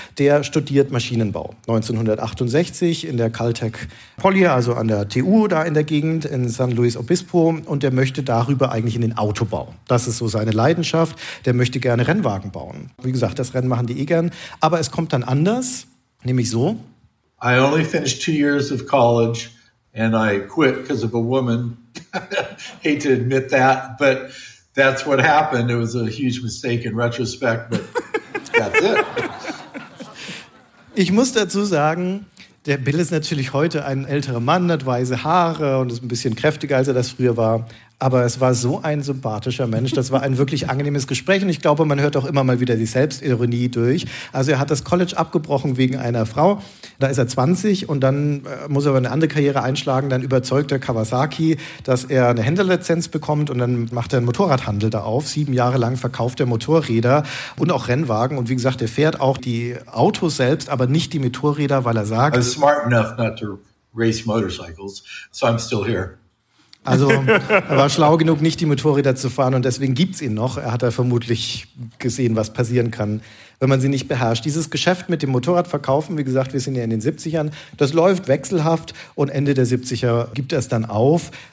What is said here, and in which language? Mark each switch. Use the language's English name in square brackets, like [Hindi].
[German] Der studiert Maschinenbau, 1968 in der Caltech Poly, also an der TU da in der Gegend in San Luis Obispo. Und der möchte darüber eigentlich in den Autobau. Das ist so seine Leidenschaft. Der möchte gerne Rennwagen bauen. Wie gesagt, das Rennen machen die eh gern. Aber es kommt dann anders, nämlich so. [English] I only finished 2 years of college and I quit because of a woman. Hate to admit that, but that's what happened. It was a huge mistake in retrospect, but that's it. [German] Ich muss dazu sagen, der Bill ist natürlich heute ein älterer Mann, hat weiße Haare und ist ein bisschen kräftiger, als er das früher war. Aber es war so ein sympathischer Mensch. Das war ein wirklich angenehmes Gespräch. Und ich glaube, man hört auch immer mal wieder die Selbstironie durch. Also er hat das College abgebrochen wegen einer Frau. Da ist er 20 und dann muss er aber eine andere Karriere einschlagen. Dann überzeugt er Kawasaki, dass er eine Händlerlizenz bekommt. Und dann macht er einen Motorradhandel da auf. 7 Jahre lang verkauft er Motorräder und auch Rennwagen. Und wie gesagt, er fährt auch die Autos selbst, aber nicht die Motorräder, weil er sagt, [English] I was smart enough not to race motorcycles, so I'm still here. [German] Also er war schlau genug, nicht die Motorräder zu fahren und deswegen gibt's ihn noch. Er hat da vermutlich gesehen, was passieren kann, wenn man sie nicht beherrscht. Dieses Geschäft mit dem Motorradverkaufen, wie gesagt, wir sind ja in den 70ern, das läuft wechselhaft und Ende der 70er gibt er es dann auf.